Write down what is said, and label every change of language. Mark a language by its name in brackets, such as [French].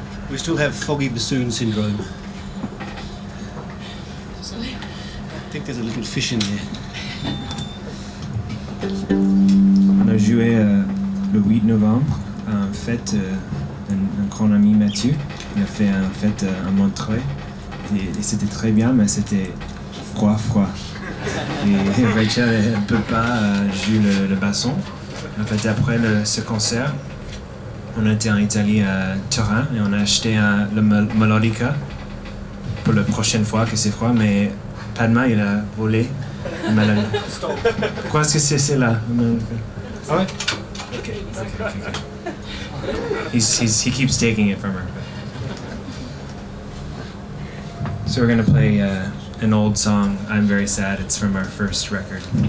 [English] We still have foggy bassoon syndrome. Sorry. I think there's a little fish in there. [French] On a joué le 8 novembre à un fête, un grand ami Mathieu, il a fait un fête à Montreuil. Et c'était très bien, mais c'était froid. Et Rachel ne peut pas jouer le basson. En fait, après ce concert, on était en Italie à Turin et on a acheté le melodica pour la prochaine fois que c'est froid, mais Padma, il a volé le melodica. Pourquoi est-ce que c'est là? Ah ouais? [English] Okay. He keeps taking it from her. But. So we're going to play an old song, I'm Very Sad. It's from our first record.